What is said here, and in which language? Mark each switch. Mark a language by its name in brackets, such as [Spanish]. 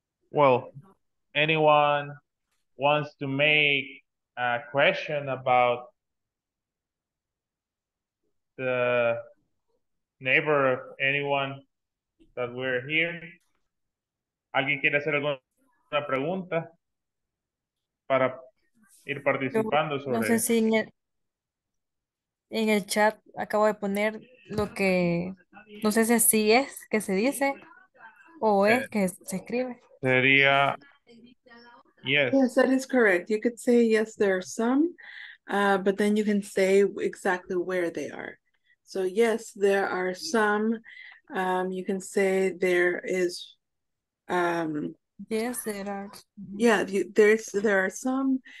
[English] Well, anyone wants to make a question about the neighbor of anyone that we're here? [Spanish] ¿Alguien quiere hacer alguna pregunta para ir participando sobre... No sé si en el chat acabo de poner lo que... No sé si así es que se dice o es que se escribe. Sería... [English] Yes. Yes, that is correct. You could say, yes, there are some, but then you can say exactly where they are. So, yes, there are some. You can say there is... yes, there are. Yeah, there are some.